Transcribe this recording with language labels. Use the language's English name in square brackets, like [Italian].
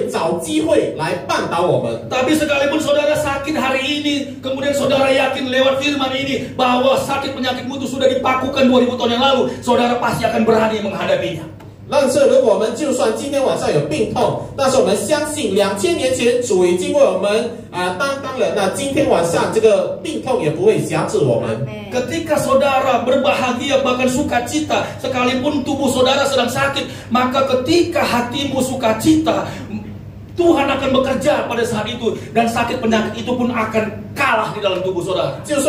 [Chinese] 如果我们今天晚上有病痛，然后我们惧怕的话呢，这个魔鬼就会找机会来绊倒我们。 [Indonesian] Tapi sekalipun saudara sakit hari ini, kemudian saudara yakin lewat firman ini bahwa sakit penyakitmu itu sudah dipakukan 2000 tahun yang lalu, saudara pasti akan berani menghadapinya. [Chinese] 但是如果我们就算今天晚上有病痛，但是我们相信2000年前主已经为我们担当了，那今天晚上这个病痛也不会辖制我们。 [Indonesian] Ketika saudara berbahagia bahkan sukacita sekalipun tubuh saudara sedang sakit, maka ketika hatimu sukacita, Tuhan akan bekerja pada saat itu dan sakit penyakit itu pun akan kalah di dalam tubuh saudara.